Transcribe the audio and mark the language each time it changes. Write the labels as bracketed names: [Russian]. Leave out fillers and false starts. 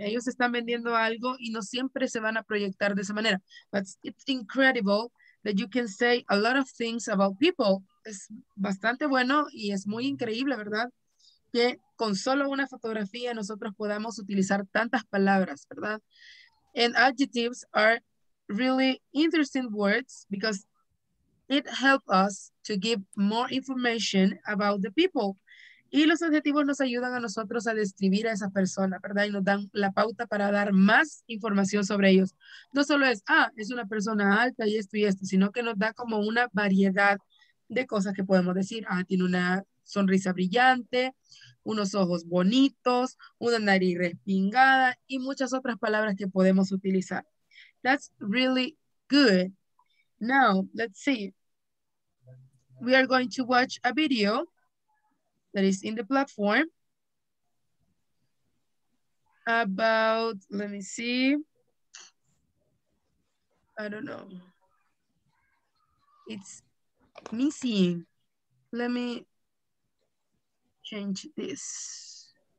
[Spanish] Ellos están vendiendo algo y no siempre se van a proyectar de esa manera. [English] But it's incredible that you can say a lot of things about people. [Spanish] Es bastante bueno y es muy increíble, ¿verdad?, que con solo una fotografía nosotros podamos utilizar tantas palabras, ¿verdad? [English] And adjectives are really interesting words because it helps us to give more information about the people. [Spanish] Y los adjetivos nos ayudan a nosotros a describir a esa persona, ¿verdad? Y nos dan la pauta para dar más información sobre ellos. No solo es, ah, es una persona alta y esto, sino que nos da como una variedad de cosas que podemos decir. Ah, tiene una sonrisa brillante, unos ojos bonitos, una nariz respingada y muchas otras palabras que podemos utilizar. [English] That's really good. Now, let's see. We are going to watch a video that is in the platform about, let me see, I don't know, it's missing, let me change this.